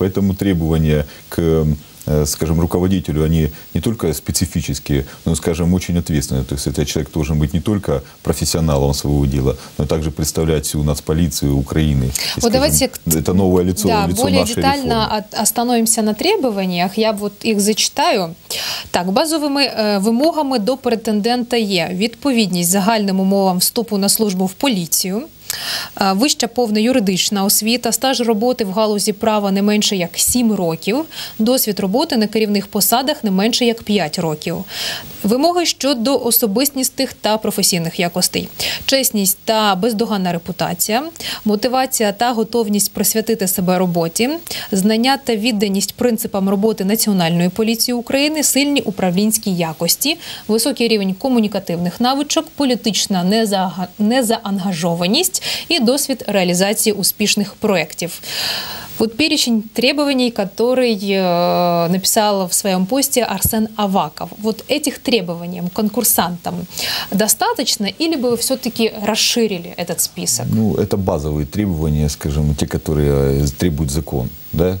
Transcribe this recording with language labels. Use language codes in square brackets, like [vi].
[ru] Поэтому требования к, скажем, руководителю, они не только специфические, но, скажем, очень ответственные. То есть этот человек должен быть не только профессионалом своего дела, но также представлять всю нацполицию Украины. И, вот, давайте, это новое лицо, да, лицо более нашей детально реформы. Остановимся на требованиях. Я вот их зачитаю. [uk] Так, базовими вимогами до претендента є відповідність загальним умовам вступу на службу в поліцію, вища повна юридична освіта, стаж роботи в галузі права не менше як 7 років, досвід роботи на керівних посадах не менше як 5 років. Вимоги щодо особистісних та професійних якостей. Чесність та бездоганна репутація, мотивація та готовність присвятити себе роботі, знання та відданість принципам роботи Національної поліції України, сильні управлінські якості, високий рівень комунікативних навичок, політична незаангажованість [ru] и досвід реализации успешных проектов. Вот перечень требований, который написал в своем посте Арсен Аваков. Вот этих требований конкурсантам достаточно или бы вы все-таки расширили этот список? Ну, это базовые требования, скажем, те, которые требует закон. Да?